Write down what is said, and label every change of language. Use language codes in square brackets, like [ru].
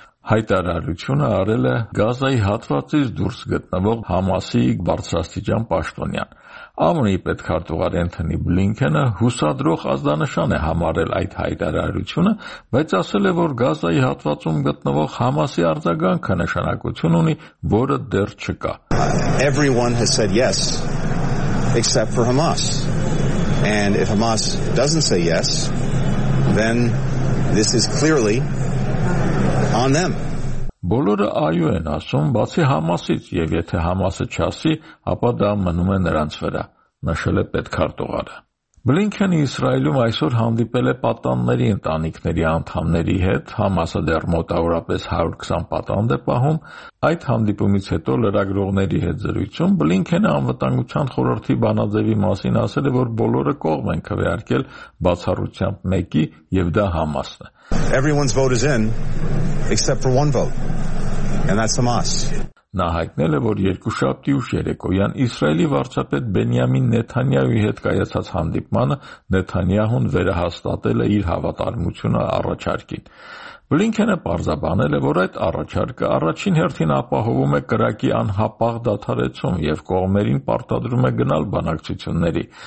[hy] Հայտարարությունը արել է Գազայի հատվածից դուրս գտնվող Համասի բարձրաստիճան պաշտոնյան։ ԱՄՆ-ի պետքարտուղար Էնթոնի Բլինքենը հուսադրող ազդանշան է համարել այդ հայտարարությունը, բայց ասել է, որ Գազայի հատվածում գտնվող Համասի արձագանքը նշանակություն ունի, որը դեռ չկա։ [en] Everyone has said yes except for Hamas. And if Hamas doesn't say yes, then this is clearly on them. [hy] Բոլորը այո են ասում, բացի Համասից, և եթե Համասը չասի, ապա դա մնում է նրանց վրա, նշել է պետքարտուղարը։ Բլինքենը Իսրայելում այսօր հանդիպել է պատանների ընտանիքների անդամների հետ, Համասը դեռ մոտավորապես 120 պատանդ է պահում։ Այդ հանդիպումից հետո լրագրողների հետ զրույցում Բլինքենը անվտանգության խորհրդի բանաձևի մասին ասել է, որ բոլորը կողմ են քվեարկել բացառությամբ մեկի, և դա Համասն է։ [en] Everyone's vote is in except for one vote, and that's Hamas. [hy] Նա հայտնել է, որ երկու շաբթի ուշ երեկոյան Իսրայելի վարչապետ Բենյամին Նեթանյահուի հետ կայացած հանդիպմանը Նեթանյահուն վերահաստատել է իր հավատարմությունը առաջարկին։ Բլինքենը պարզաբանել է, որ այդ առաջարկը առաջին հերթին ապահովում է կրակի անհապաղ դադարեցում և կողմերին պարտադրում է գնալ բանակցությունների։